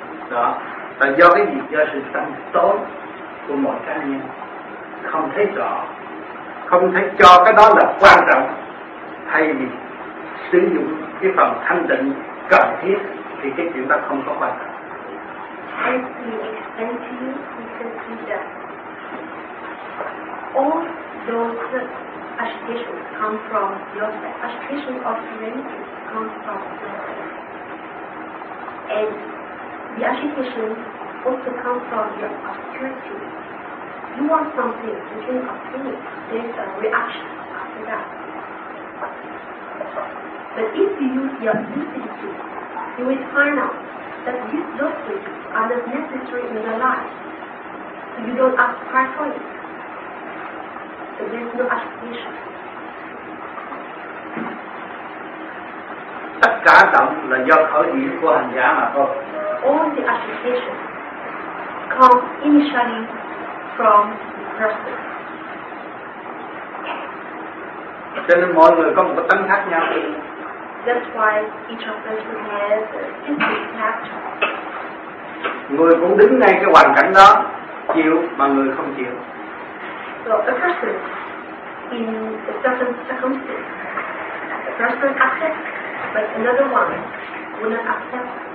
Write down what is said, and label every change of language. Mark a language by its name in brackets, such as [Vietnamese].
[Vietnamese] Đó, là do cái gì? Do sự sáng tối của mọi cá nhân, không thấy rõ, không thấy cho cái đó là quan trọng, thay vì sử dụng cái phần thanh tịnh cần thiết thì cái chuyện đó không có quan trọng. [English] As we explain to you, we can see that all those agitations come from yourself. Agitation of humanity comes from yourself. And the agitation also comes from your obscurity. You want something, you can obtain it. There's a reaction after that. But if you use your lucidity, you will find out that these losses are not necessary in your life. So you don't ask for it. So there's no agitation. [Vietnamese] Tất cả động là do khởi điểm của hành giả mà thôi. [English] All the agitation comes initially from the person. [Vietnamese] Cho nên mọi người có một cái tánh khác nhau. [English] That's why each of us has a different character. [Vietnamese] Người cũng đứng ngay cái hoàn cảnh đó chịu mà người không chịu. [English] So a person in a certain circumstance, a person accepts, but another one will not accept.